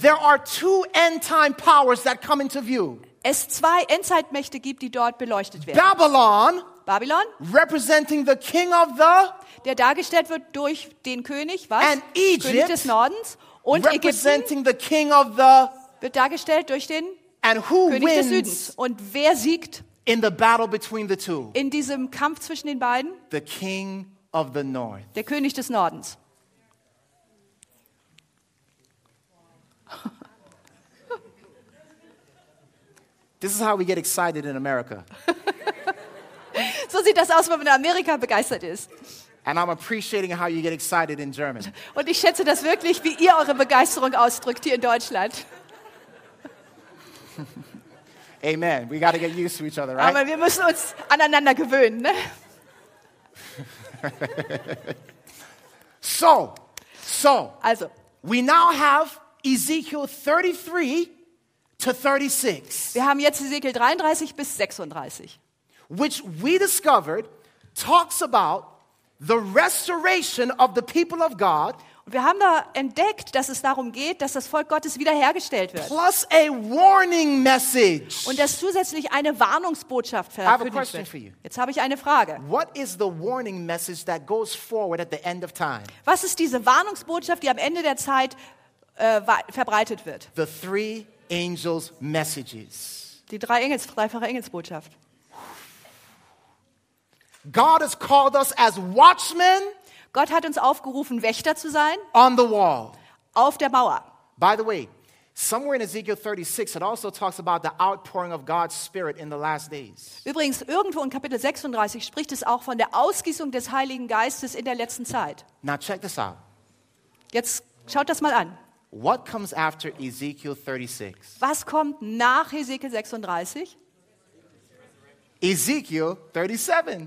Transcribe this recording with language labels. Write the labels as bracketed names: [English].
[English] there are two end-time powers that come into view. [German] Es zwei Endzeitmächte gibt, die dort beleuchtet werden. [English] Babylon, [German] Babylon, [English] representing the king of the, [German] der dargestellt wird durch den König, was? [English] And Egypt, [German] König des Nordens, und [English] representing the king of the, [German] wird dargestellt durch den, [English] and who [German] König [English] wins [German] des Südens. Und wer siegt [English] in the battle between the two? [German] In diesem Kampf zwischen den beiden? [English] The king of the north. [German] Der König des Nordens. [English] This is how we get excited in America. [German] So sieht das aus, wenn man in Amerika begeistert ist. [English] And I'm appreciating how you get excited in German. [German] Und ich schätze das wirklich, wie ihr eure Begeisterung ausdrückt hier in Deutschland. [English] Amen. We got to get used to each other, right? [German] Aber wir müssen uns aneinander gewöhnen, ne? [English] So. [German] Also, [English] we now have Ezekiel 33 to 36. [German] Wir haben jetzt Ezekiel 33 bis 36. [English] Which we discovered talks about the restoration of the people of God. [German] Und wir haben da entdeckt, dass es darum geht, dass das Volk Gottes wiederhergestellt wird. [English] Plus a warning message. [German] Und dass zusätzlich eine Warnungsbotschaft verkündet wird. [English] I have a question for you. [German] Jetzt habe ich eine Frage. [English] What is the warning message that goes forward at the end of time? [German] Was ist diese Warnungsbotschaft, die am Ende der Zeit verbreitet wird? [English] The three angels' messages. [German] Die drei Engels, dreifache Engelsbotschaft. [English] God has called us as watchmen. [German] Gott hat uns aufgerufen, Wächter zu sein. [English] On the wall. [German] Auf der Mauer. [English] By the way, somewhere in Ezekiel 36, it also talks about the outpouring of God's Spirit in the last days. [German] Übrigens, irgendwo in Kapitel 36 spricht es auch von der Ausgießung des Heiligen Geistes in der letzten Zeit. [English] Now check this out. [German] Jetzt schaut das mal an. [English] What comes after Ezekiel 36? [German] Was kommt nach Ezekiel 36? [English] Ezekiel 37.